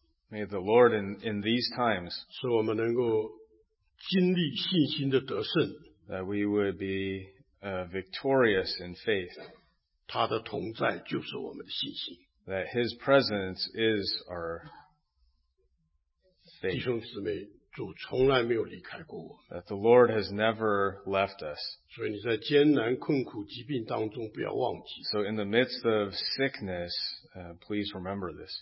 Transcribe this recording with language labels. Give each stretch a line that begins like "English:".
English: May the Lord in these times,
Chinese: 使我们能够经历信心的得胜,
English: that we would be victorious in faith.
Chinese: 他的同在就是我们的信心,
English: that his presence is our faith.
Chinese: 弟兄姊妹, 主从来没有离开过我们,
English: that the Lord has never left us.
Chinese: 所以你在艰难困苦疾病当中不要忘记,
English: so in the midst of sickness, please remember this.